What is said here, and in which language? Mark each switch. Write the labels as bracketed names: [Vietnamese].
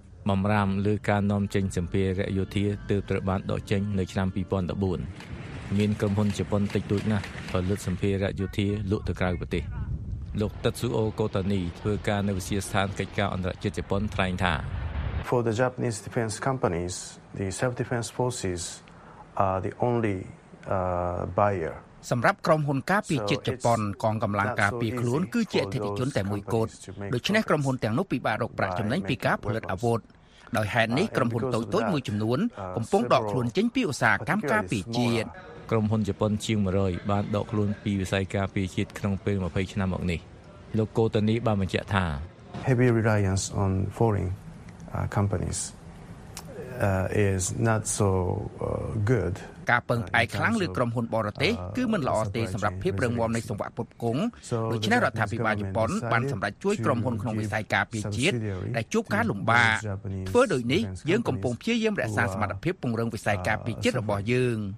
[Khmer] បំរាមលើការនាំចេញសម្ភារៈយោធាទើបត្រូវបានដកចេញនៅឆ្នាំ2014មានក្រុមហ៊ុនជប៉ុនតិចតួចណាស់ផលិតសម្ភារៈយោធាលក់ទៅក្រៅប្រទេសលោក Tetsuo Kotani ធ្វើការនៅវិទ្យាស្ថានកិច្ចការអន្តរជាតិជប៉ុនថ្លែងថា [English] For the Japanese defense companies the self defense forces are the only buyer [Khmer] សម្រាប់ក្រុមហ៊ុនការពារជាតិជប៉ុនកងកម្លាំងការពារខ្លួនគឺជាអធិជនតែមួយគត់ដូច្នេះក្រុមហ៊ុនទាំងនោះពិបាករកប្រាក់ចំណេញពីការផលិតអាវុធដោយហេតុនេះក្រុមហ៊ុនតូចៗមួយចំនួនកំពុងដកខ្លួនចេញពីឧស្សាហកម្មការពារជាតិ ក្រុមហ៊ុនជប៉ុនជាង100បានដកខ្លួនពីវិស័យការពារជាតិក្នុងពេល20ឆ្នាំមកនេះលោកកូតានីបានបញ្ជាក់ថា [English] Heavy reliance on foreign companies is not so good [Khmer] ការពឹងផ្អែកខ្លាំងលើក្រុមហ៊ុនបរទេសគឺមិនល្អទេសម្រាប់ភាពរឹងមាំនៃសង្វាក់ផ្គត់ផ្គង់ដូច្នេះរដ្ឋាភិបាលជប៉ុនបានសម្រេចជួយក្រុមហ៊ុនក្នុងវិស័យការពារជាតិដែលជួបការលំបាកធ្វើដូចនេះយើងកំពុងព្យាយាមរក្សាសមត្ថភាពពង្រឹងវិស័យការពារជាតិរបស់យើង